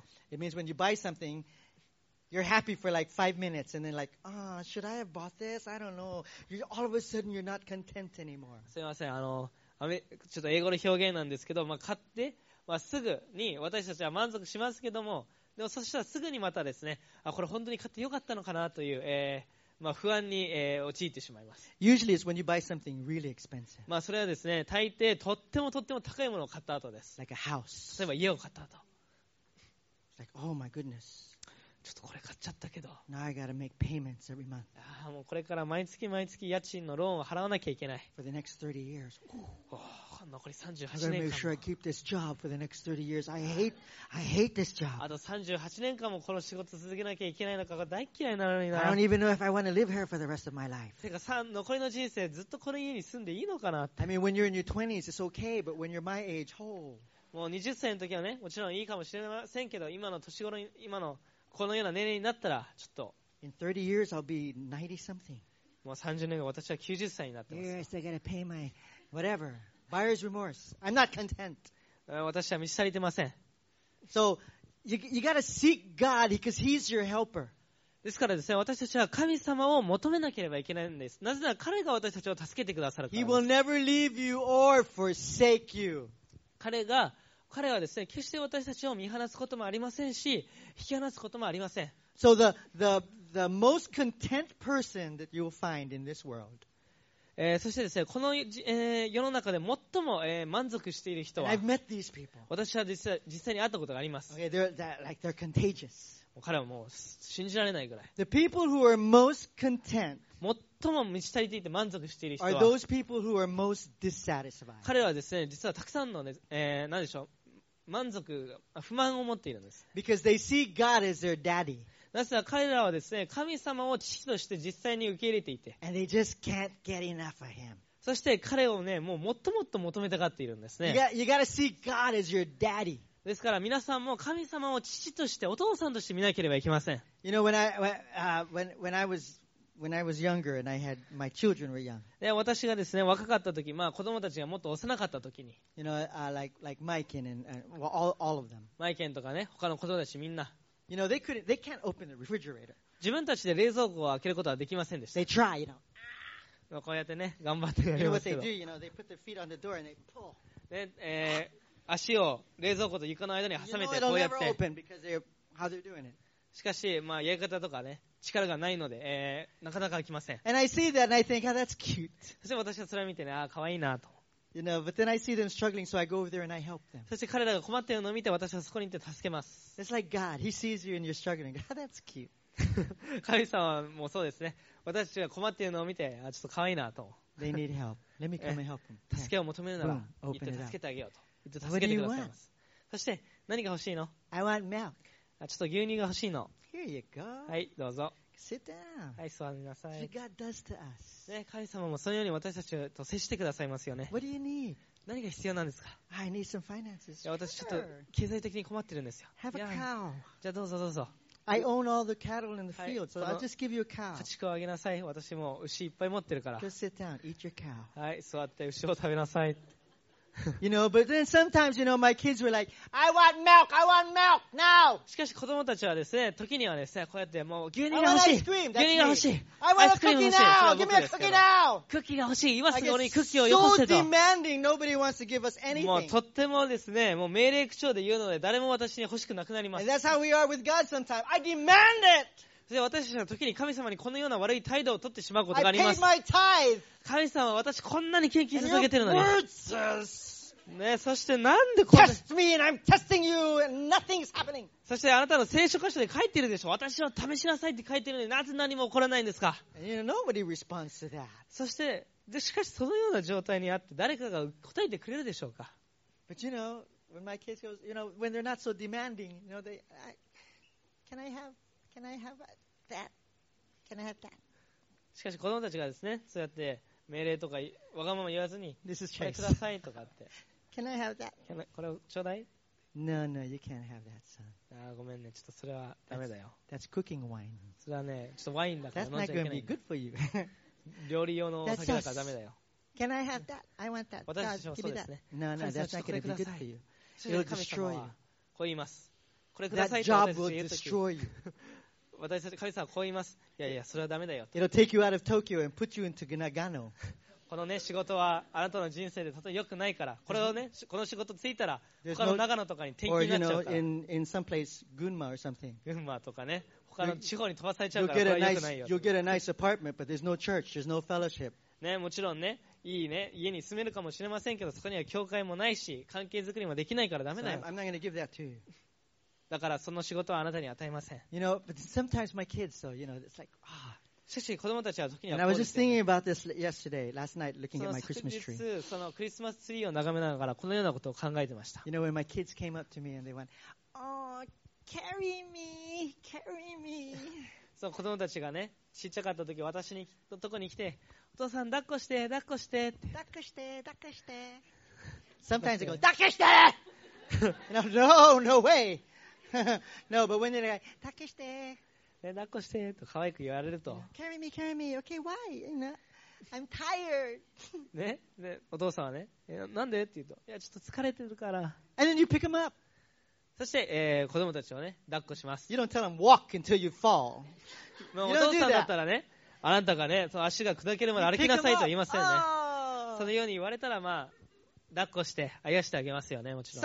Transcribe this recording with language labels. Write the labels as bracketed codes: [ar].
[en] It means when you buy something, you're happy for like 5 minutes and then like, ah,、oh, should I have bought this? I don't know. All of a sudden, you're not content anymore. [ja] すみません、ちょっと英語の表現なんですけど、まあ、買って。まあ、すぐに私たちは満足しますけども、でもそしたらすぐにまたですね、あ、これ本当に買ってよかったのかなという、まあ、不安に、陥ってしまいます。 [en] Usually it's when you buy something really expensive. [ja] まあそれはですね、大抵とってもとっても高いものを買った後です。 [en] Like a house. [ja] 例えば家を買った後。 [en] Like, oh my goodness. [ja] ちょっとこれ買っちゃったけど。 [en] Now I gotta make payments every month. [ja] あ、もうこれから毎月毎月家賃のローンを払わなきゃいけない。 [en] For the next 30 years. [ja] Oh. 残り38 年間も。 [en] I gotta make sure I keep this job for the next 30 years. I hate this job. [ja] あと38年間もこの仕事続けなきゃいけないのかが大嫌いなのにな。 [en] I don't even know if I want to live here for the rest of my life. [ja] てか残りの人生ずっとこの家に住んでいいのかな。 [en] I mean, when you're in your 20s, it's okay, but when you're my age, ho. [ja] もう20歳の時はね、もちろんいいかもしれませんけど、今の年頃に、今のこのような年齢になったら、ちょっと。 [en] In 30 years, I'll be 90 something. [ja] もう30年後、私は90歳になってます。 [en] Yes, I gotta pay my whatever. Buyer's remorse. I'm not content. [ja] 私は満ち足りてません。 [en] So, you gotta seek God because He's your helper. [ja] ですからですね、私たちは神様を求めなければいけないんです。なぜなら彼が私たちを助けてくださるからです。 [en] He will never leave you or forsake you. [ja] 彼はですね、決して私たちを見放すこともありませんし、引き離すこともありません。 [en] So the most content person that you will find in this world. [ja] そしてですね、この、世の中で最も、満足している人は、 [en] I've met these people. [ja] 私は実際に会ったことがあります。 [en] Okay, they're contagious. [ja] 彼はもう信じられないぐらい。 [en] The people who are most content [ja] 最も満ち足りていて満足している人は、 [en] are those people who are most dissatisfied. [ja] 彼はですね、実はたくさんの、何でしょう、満足、不満を持っているんです。 [en] Because they see God as their daddy. [ja] なぜなら彼らはですね、神様を父として実際に受け入れていて、 [en] And they just can't get enough of him. [ja] そして彼をね、もうもっともっと求めたがっているんですね。 [en] You gotta see God as your daddy. [ja] ですから皆さんも神様を父として、お父さんとして見なければいけません。 [en] You know, when I was younger and I had, my children were young. [ja] で私がですね、若かった時、まあ子供たちがもっと幼かった時に、 [en] You know, like Mike and all of them. [ja] マイケンとかね、他の子供たちみんな、 [en] You know, they can't open the refrigerator. [ja] 自分たちで冷蔵庫を開けることはできませんでした。 [en] They try, you know. [ja] こうやってね、頑張ってやりますけど。 [en] You know what they do? You know, they put their feet on the door and they pull. [ja] で、足を冷蔵庫と床の間に挟めてこうやって。 [en] It'll never open because how they're doing it. [ja] しかし、まあ、やり方とかね、力がないので、なかなか開きません。 [en] And I see that and I think, oh, that's cute. [ja] そして私はそれを見てね、ああ、かわいいなと。 [en] You know, but then I see them struggling, so I go over there and I help them. [ja] そして彼らが困っているのを見て、私はそこに行って助けます。 [en] It's like God. He sees you and you're struggling. That's cute. [ja] 神様もそうですね。私が困っているのを見て、あ、ちょっと可愛いなと。 [en] They need help. Let me come and help them. [ja] 助けを求めるなら、行って助けてあげようと。行って助けてくださいます。そして何が欲しいの？ [en] I want milk. [ja] あ、ちょっと牛乳が欲しいの。 [en] Here you go. [ja] はい、どうぞ。 [en] Sit down. [ja] はい、座りなさい。 [en] God does to us. [ja] ね、神様もそのように私たちと接してくださいますよね。 [en] What do you need? [ja] 何が必要なんですか？ [en] I need some finances. [ja] いや、私ちょっと経済的に困ってるんですよ。 [en] Have a cow. [ja] じゃあどうぞどうぞ。 [en] I own all the cattle in the field, so I'll just give you a cow. [ja] 家畜をあげなさい。私も牛いっぱい持ってるから。 [en] Just sit down, eat your cow. [ja] はい、座って牛を食べなさい。 [en] You know, but then sometimes, you know, my kids were like, I want milk, I want milk, now! [ja] しかし子供たちはですね、時にはですね、こうやってもう牛乳が欲しい。牛乳が欲しい。 [en] I want a cookie now! Give me a cookie now! [ja] クッキーが欲しい。今すぐ俺にクッキーをよこせと。 [en] So demanding, nobody wants to give us anything. [ja] もうとってもですね、もう命令口調で言うので誰も私に欲しくなくなります。 [en] And that's how we are with God sometimes. I demand it! [ja] で私たちは時に神様にこのような悪い態度を取ってしまうことがあります。 [en] I paid my tithe! [ja] 神様は私こんなに献金捧げてるのに。 [en] And your words are... [ja] ね、そしてなんでこれ [en] Test me and I'm testing you and nothing's happening. [ja] そしてあなたの聖書箇所で書いてるでしょ。私を試しなさいって書いてるのになぜ何も起こらないんですか。 [en] And you know, nobody responds to that. [ja] そしてでしかしそのような状態にあって誰かが答えてくれるでしょうか。 [en] But you know, when my kids goes, you know, when they're not so demanding, you know, they, can I have that? [ja] しかし子供たちがですね、そうやって命令とかわがまま言わずに、 [en] This is [ja] これくださいとかって。 [en] Can I have that? [ja] これをちょうだい? [en] No, no, you can't have that, son. [ja] あ、ごめんね。ちょっとそれはダメだよ。 [en] That's cooking wine. [ja] それはね、ちょっとワインだから飲んじゃいけない。 [en] That's not gonna be good for you. [ja] 料理用のお酒だからダメだよ。 [en] Can I have that? I want that. [ja] 私たちもそうですね。 [en] No, no, that's not gonna be good for you. It'll destroy you. [ja] こう言います。これくださいと私たちに言った時。私たち、神様はこう言います。いやいや、それはダメだよ。 [en] It'll take you out of Tokyo and put you into Nagano. [ja] このね、仕事はあなたの人生でたとえ良くないから、これをね、この仕事ついたら、他の長野とかに転勤になっちゃうから。 [en] Or, you know, in some place, Gunma or something. [ja] 群馬とかね、他の地方に飛ばされちゃうから、これは良くないよ。 [en] You'll get a nice apartment, but there's no church, there's no fellowship. [ja] ね、もちろんね、いいね、家に住めるかもしれませんけど、そこには教会もないし、関係づくりもできないからダメだよ。 [en] So, I'm not gonna give that to you. [ja] だからその仕事はあなたに与えません。 [en] You know, but sometimes my kids, so, you know, it's like, ah. [ja] しかし子供たちは時にはこうですよね。 [en] And I was just thinking about this yesterday, last night, looking at my Christmas tree. [ja] その昨日、そのクリスマスツリーを眺めながらこのようなことを考えてました。 [en] You know, when my kids came up to me and they went, Oh, carry me, carry me. [ja] その子供たちがね、ちっちゃかった時私のところに来て、お父さん抱っこして、抱っこして、抱っこして、抱っこして。 [en] Sometimes they go, [ja] 抱っこして [en] And I'm, No, no way! No, but when they're like, [ja] 抱っこして。抱っこしてと可愛く言われると [en] carry me, carry me, okay, why? You know, I'm tired. [ja] ね、で、お父さんはね、なんでって言うと、いや、ちょっと疲れてるから。 [en] And then you pick him up. [ja] そして、子供たちをね、抱っこします。 [en] You don't tell him walk until you fall. [ja] お父さんだったらね、あなたがね、その足が砕けるまで歩きなさいと言いませんね。 [en] Oh. [ja] そのように言われたら、まあ、抱っこして、あやしてあげますよね、もちろん。